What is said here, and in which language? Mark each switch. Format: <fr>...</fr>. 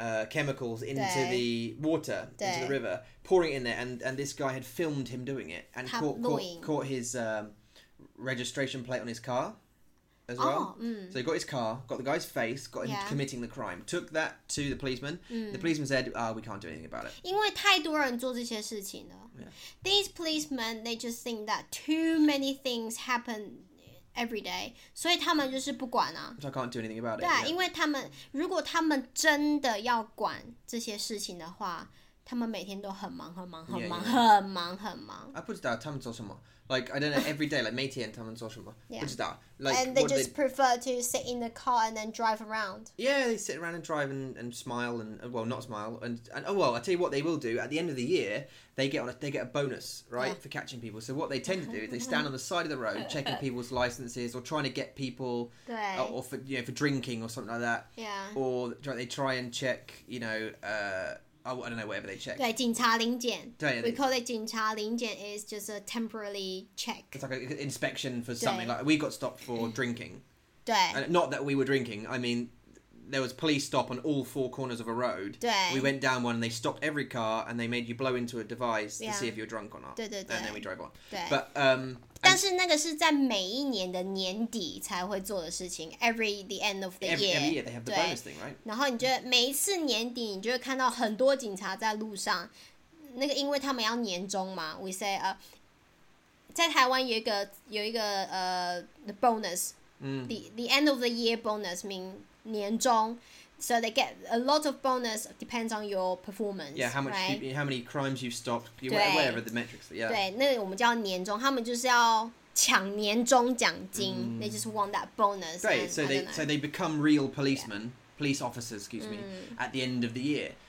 <en>Chemicals into the water, into the river, pouring it in there, and this guy had filmed him doing it and caught his registration plate on his car as well. So he got his car, got the guy's face, got him committing the crime, took that to the policeman. The policeman said, we can't do anything about it.</en> <zh>因为太多人做这些事情了。</zh> <en>These policemen, they just think that too many things happen. Every day,</en> <zh>所以他们就是不管啊。</zh> <en>So I can't do anything about it.</en> <zh>对啊，因为他们如果他们真的要管这些事情的话，他们每天都很忙很忙很忙 很忙很忙。 I 不知道他们做什么。</zh> <en>Like, I don't know, every day, like,</en> <zh>每天他们做什么。</zh> <en>Yeah.</en> <zh>不知道。Like,</zh> <en>and they just prefer to sit in the car and then drive around. Yeah, they sit around and drive and smile and, well, not smile. And oh, well, I tell you what they will do. At the end of the year, they get a bonus, right, yeah. for catching people. So what they tend to do is they stand on the side of the road checking people's licenses or trying to get people, or for, you know, for drinking or something like that. Yeah. Or they try and check, you know, oh, I don't know, whatever they check.</en> <zh>对，警察临检。对。</zh> <en>We call it 警察临检 is just a temporary check. It's like an inspection for something. Like, we got stopped for drinking.</en> <zh>对。</zh> <en>And not that we were drinking. I mean, there was police stop on all four corners of a road.</en> <zh>对。</zh> <en>We went down one and they stopped every car and they made you blow into a device yeah. to see if you're drunk or not.</en> <zh>对对对。</zh> <en>And then we drove on.</en> <zh>对。</zh> <en>But,</en> <zh>但是那个是在每一年的年底才会做的事情 ，</zh> <en>every the end of the year。 Every year they have the bonus thing, right？</en> <zh>然后你就每一次年底，你就会看到很多警察在路上。那个因为他们要年终嘛 ，</zh> <en>we say</en> <zh>在台湾有一个</zh> <en>the bonus， the end of the year bonus mean</en> <zh>年终。</zh> <en>So they get a lot of bonus depends on your performance. Yeah, how much,、 right? how many crimes you've stopped, whatever the metrics. Yeah.</en> <zh>对，那我们叫年终，他们就是要抢年终奖金。 Mm.</zh> <en>They just want that bonus. Right. So they become real policemen,、yeah. police officers, excuse me,、at the end of the year.</en>